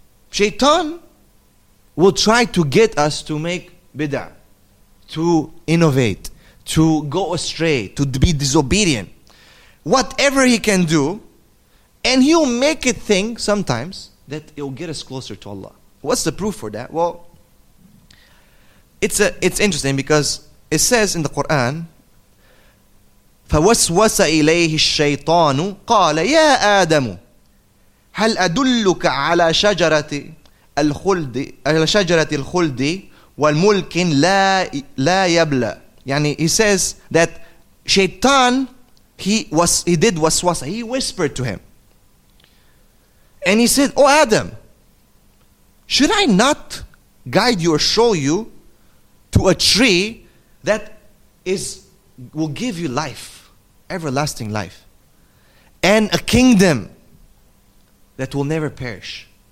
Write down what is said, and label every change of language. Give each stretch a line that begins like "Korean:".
English: Shaitan will try to get us to make bid'ah, to innovate, to go astray, to be disobedient. Whatever he can do, and he'll make it think sometimes that it'll get us closer to Allah. What's the proof for that? Well, it's interesting because it says in the Quran,
Arabic: فَوَسْوَسَ إِلَيْهِ الشَّيْطَانُ قَالَ يَا آدَمُ هَلْ أَدُلُّكَ عَلَى شَجَرَةِ الْخُلْدِ عَلَى شَجَرَةِ الْخُلْدِ وَالْمُلْكِ لَا يَبْلَى.
English: يعني he says that Shaitan, he did waswasa, he whispered to him. And he said, oh Adam, should I not guide you or show you to a tree that will give you life, everlasting life, and a kingdom that will never perish?